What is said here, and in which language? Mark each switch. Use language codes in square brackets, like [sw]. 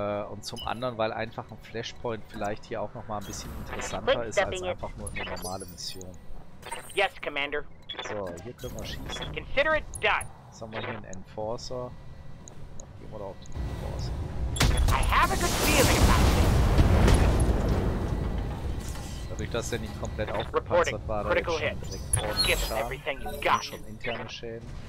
[de] Und zum anderen, weil einfach ein Flashpoint vielleicht hier auch nochmal ein bisschen interessanter ist als einfach nur eine normale Mission. [en] Yes, Commander. [de] So, hier können wir schießen. [en] Consider it done. [de] Jetzt haben wir hier einen Enforcer. Gehen wir da auf den Enforcer. [en] I have a good feeling about this. [de] Dadurch, dass der nicht komplett aufgepanzert war, da gibt's schon direkt ordentlich Schaden und schon interne Schäden.